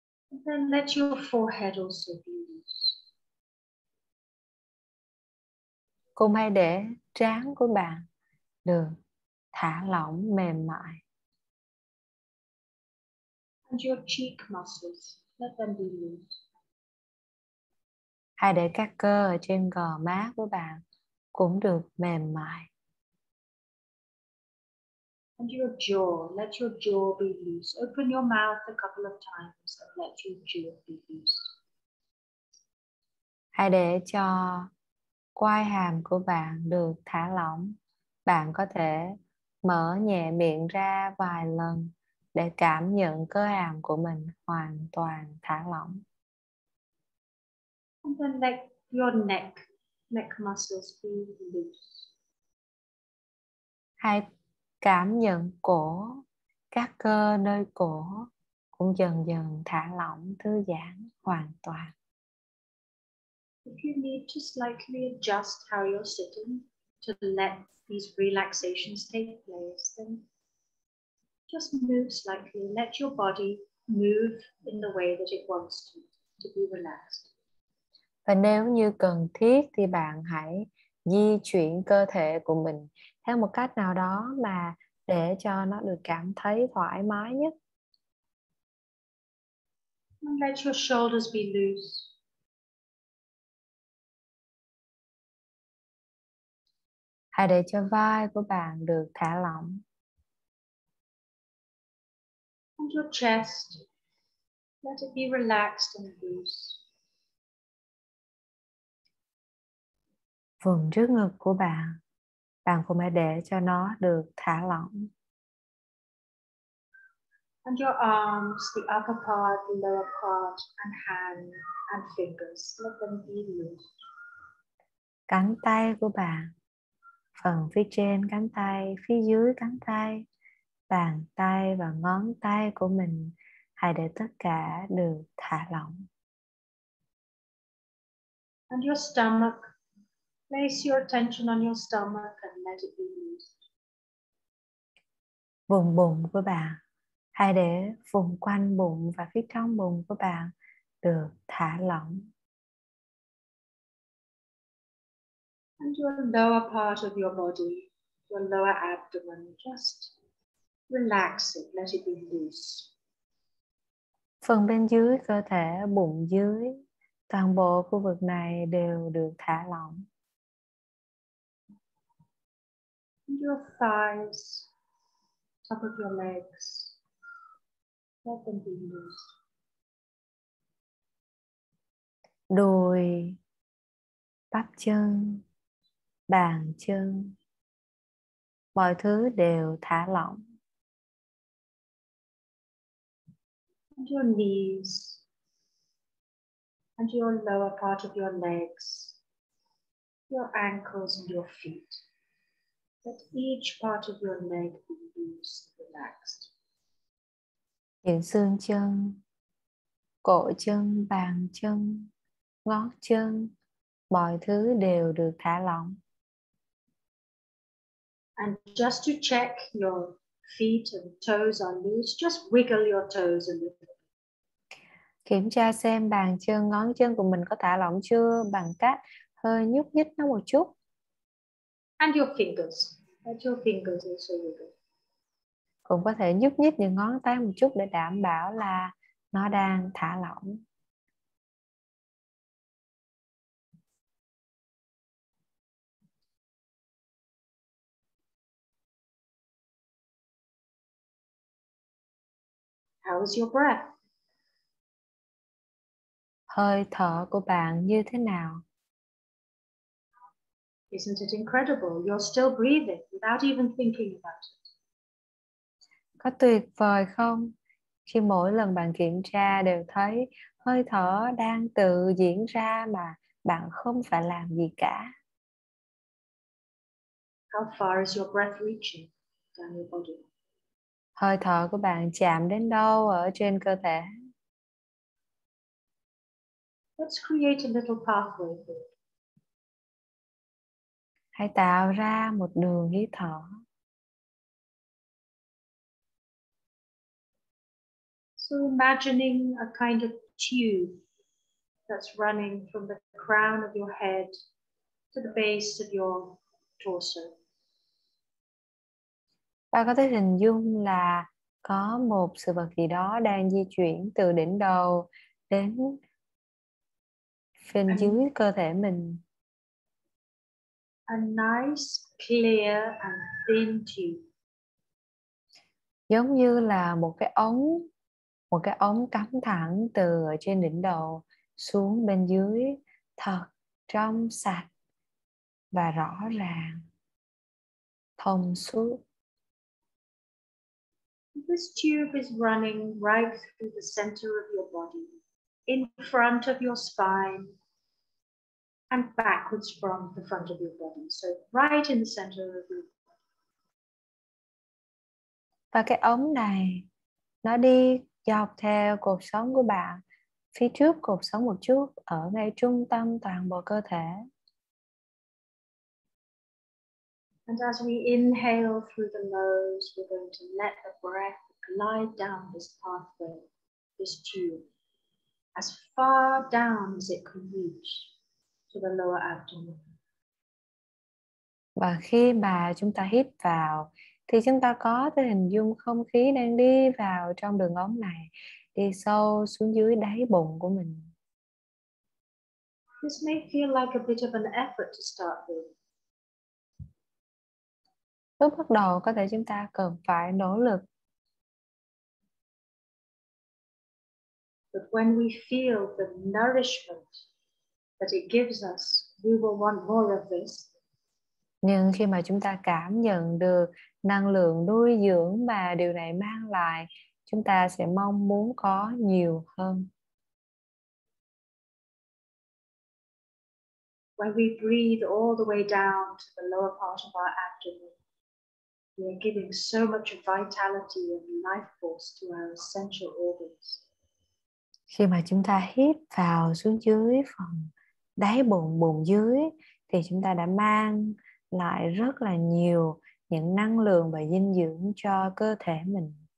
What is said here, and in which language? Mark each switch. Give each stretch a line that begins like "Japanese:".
English: Then let your forehead also be loose.
Vietnamese: Cùng hãy để trán của bạn được thả lỏng mềm mại.
English: And your cheek muscles, let them be loose.
Vietnamese: Hãy để các cơ ở trên gò má của bạn cũng được mềm mại.
English: And your jaw, let your jaw be loose. Open your mouth a couple of times and let your jaw be loose.
Vietnamese: Hãy để cho quai hàm của bạn được thả lỏng. Bạn có thể mở nhẹ miệng ra vài lần để cảm nhận cơ hàm của mình hoàn toàn thả lỏng.
English: And then let your neck muscles be loose.
Vietnamese: Hãy cảm nhận cổ, các cơ nơi cổ cũng dần dần thả lỏng, thư giãn hoàn toàn.
English: If you need to slightly adjust how you're sitting to let these relaxations take place, then just move slightly. Let your body move in the way that it wants to be relaxed.
Vietnamese: Và nếu như cần thiết thì bạn hãy di chuyển cơ thể của mình theo một cách nào đó mà để cho nó được cảm thấy thoải mái nhất.
English: Let your shoulders be loose.
Vietnamese: Hãy để cho vai của bạn được thả lỏng.
English: And your chest. Let it be relaxed and loose.
Vietnamese: Phần trước ngực của bạn, bạn cũng hãy để cho nó được thả lỏng.
English: And your arms, the upper part, the lower part, and hand and fingers. Let them be loose.
Vietnamese: Cánh tay của bạn, phần phía trên cánh tay, phía dưới cánh tay, bàn tay và ngón tay của mình, hãy để tất cả được thả lỏng.
English: And your stomach, place your attention on your stomach and let it be loose.
Vietnamese: Vùng bụng của bạn, hãy để vùng quanh bụng và phía trong bụng của bạn được thả lỏng.
English: And your lower part of your body, your lower abdomen, just relax it, let it be loose.
Vietnamese: Phần bên dưới cơ thể, bụng dưới, toàn bộ khu vực này đều được thả lỏng.
English: And your thighs, top of your legs, let them be loose.
Vietnamese: Đùi, bắp chân, bàn chân, mọi thứ đều thả lỏng.
English: And your knees and your lower part of your legs, your ankles and your feet. Let each part of your leg be loose, relaxed.
Vietnamese: Những xương chân, cổ chân, bàn chân, gót chân, mọi thứ đều được thả lỏng.
English: And just to check your feet and toes are loose, just wiggle your toes a little.
Vietnamese: Kiểm tra xem bàn chân, ngón chân của mình có thả lỏng chưa bằng cách hơi nhúc nhích nó một chút.
English: And your fingers. Let your fingers also wiggle.
Vietnamese: Cũng có thể nhúc nhích những ngón tay một chút để đảm bảo là nó đang thả lỏng.
English: How is your breath?
Vietnamese: Hơi thở của bạn như thế nào?
English: Isn't it incredible? You're still breathing without even thinking about it.
Vietnamese: Có tuyệt vời không? Khi mỗi lần bạn kiểm tra đều thấy hơi thở đang tự diễn ra mà bạn không phải làm gì cả.
English: How far is your breath reaching down your body?
Vietnamese: Hơi thở của bạn chạm đến đâu ở trên cơ thể?
English: Let's create a little pathway here.
Vietnamese: Hãy tạo ra một đường hít thở.
English: So imagining a kind of tube that's running from the crown of your head to the base of your torso.
Vietnamese: Bạn có thể hình dung là có một sự vật gì đó đang di chuyển từ đỉnh đầu đến phần dưới cơ thể mình.
English: A nice, clear and thin tube.
Vietnamese: Giống như là một cái ống cắm thẳng từ ở trên đỉnh đầu xuống bên dưới, thật trong sạch và rõ ràng, thông suốt.
English: This tube is running right through the center of your body, in front of your spine, and backwards from the front of your body. So right in the center of your body.
Vietnamese: Và cái ống này, nó đi dọc theo cột sống của bạn, phía trước cột sống một chút, ở ngay trung tâm toàn bộ cơ thể.
English: And as we inhale through the nose, we're going to let the breath glide down this pathway, this tube, as far down as it can reach to the lower abdomen.
Vietnamese: Và khi mà chúng ta hít vào, thì chúng ta có thể hình dung không khí đang đi vào trong đường ống này, đi sâu xuống dưới đáy bụng của mình.
English: This may feel like a bit of an effort to start with.
Vietnamese: Lúc bắt đầu có thể chúng ta cần phải nỗ lực.
English: But when we feel the nourishment that it gives us, we will want more of this.
Vietnamese: Nhưng khi mà chúng ta cảm nhận được năng lượng nuôi dưỡng mà điều này mang lại, chúng ta sẽ mong muốn có nhiều hơn.
English: When we breathe all the way down to the lower part of our abdomen, we are giving so much vitality and life force to our essential organs.
Vietnamese: Khi mà chúng ta hít vào xuống dưới phần đáy bụng, bụng dưới, thì chúng ta đã mang lại rất là nhiều những năng lượng và dinh dưỡng cho cơ thể mình.